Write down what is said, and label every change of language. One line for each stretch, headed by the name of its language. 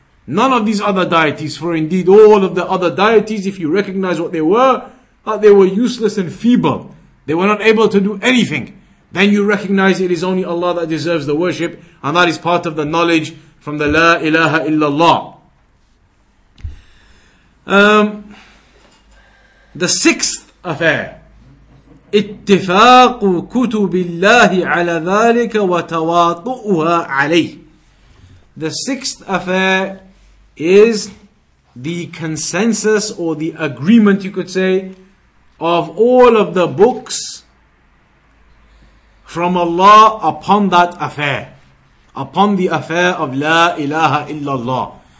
English: None of these other deities, for indeed all of the other deities, if you recognize what they were useless and feeble. They were not able to do anything. Then you recognize it is only Allah that deserves the worship, and that is part of the knowledge from the La ilaha illallah. The sixth affair.
Arabic: اتفاق كتب الله على ذلك وتواطؤها عليه.
English: The sixth affair is the consensus, or the agreement you could say, of all of the books from Allah upon that affair, upon the affair of La ilaha illallah.